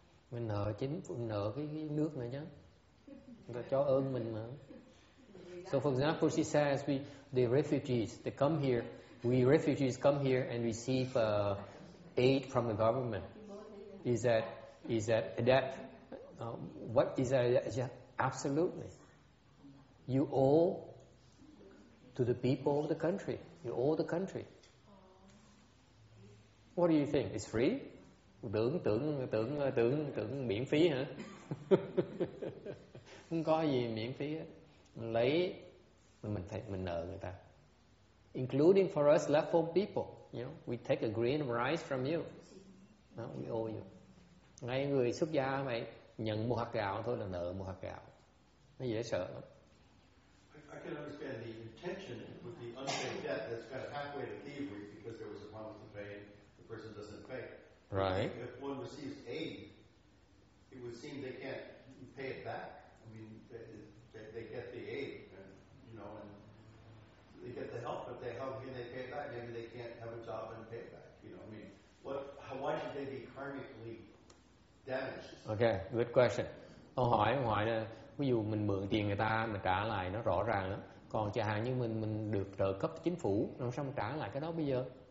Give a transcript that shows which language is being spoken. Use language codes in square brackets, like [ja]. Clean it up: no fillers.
[vi] Mình nợ chính phủ, nợ cái nước này chứ. Người ta cho ơn mình mà. [en] So for example, she says we the refugees they come here. We refugees come here and receive aid from the government. Is that what is that? Yeah. Absolutely. You owe to the people of the country. You owe the country. What do you think? It's free? [vi] Tưởng miễn phí hả? Không có gì miễn phí hết. Mình lấy mình nợ người ta. [en] Including for us leftover people, you know, we take a grain of rice from you. No, we owe you. [vi] Ngay người xuất gia mày nhận một hạt gạo thôi là nợ một hạt gạo. Nó dễ sợ lắm. [en] I can understand the intention with the unpaid debt that's got halfway to thievery because there was a promise to pay and the person doesn't pay. Right. If one receives aid, it would seem they can't pay it back. I mean, they get the aid and, you know, and they get the help, but they help and they pay it back. Maybe they can't have a job and pay it back. You know, I mean, why should they be karmically damaged? Okay, good question. [vi] Ông hỏi là ví dụ mình mượn tiền người ta mình trả lại nó rõ ràng lắm. Còn chẳng hạn như mình được trợ cấp chính phủ, làm sao mình trả lại cái đó bây giờ?